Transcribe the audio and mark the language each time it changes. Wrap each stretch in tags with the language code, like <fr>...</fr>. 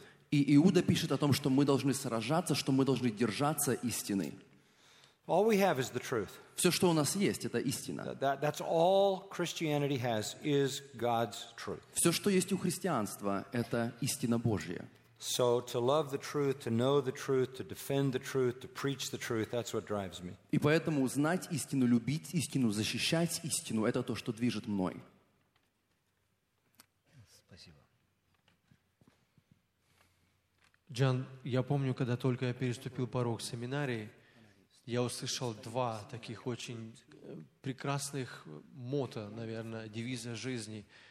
<ru>И Иуда пишет о том, что мы должны сражаться, что мы должны держаться истины.</ru> <en>All we have is the truth.</en> <ru>Все, что у нас есть, это истина.</ru> <en>That's all Christianity has is God's truth.</en> <ru>Все, что есть у христианства, это истина Божья.</ru> <en>So to love the truth, to know the truth, to defend the truth, to preach the truth, that's what drives me.</en> <ru>И поэтому узнать истину, любить истину, защищать истину, это то, что движет мной. Спасибо. Джон, я помню, когда только я переступил порог семинарии, я услышал два таких очень прекрасных мотто, наверное, девиза жизни.</ru>